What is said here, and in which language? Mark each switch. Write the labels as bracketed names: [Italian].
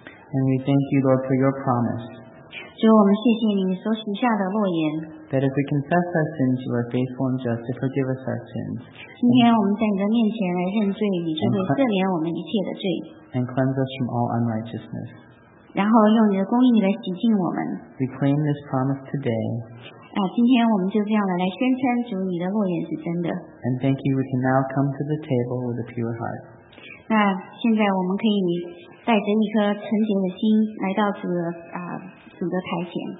[English] And we thank you, Lord, for your promise. [Chinese] 主，我们谢谢你所许下的诺言。 [English] That if we confess our sins, you are faithful and just to forgive us our sins. [Chinese] 今天我们在你的面前来认罪，你就会赦免我们一切的罪。 [English] And cleanse us from all unrighteousness. [Chinese] 然后用你的公义来洗净我们。 [English] We claim this promise today. [Chinese] 今天我们就这样来宣称主你的诺言是真的。 [English] And thank you, we can now come to the table with a pure heart. [Chinese] 那现在我们可以。带着一颗纯洁的心来到主的主的台前。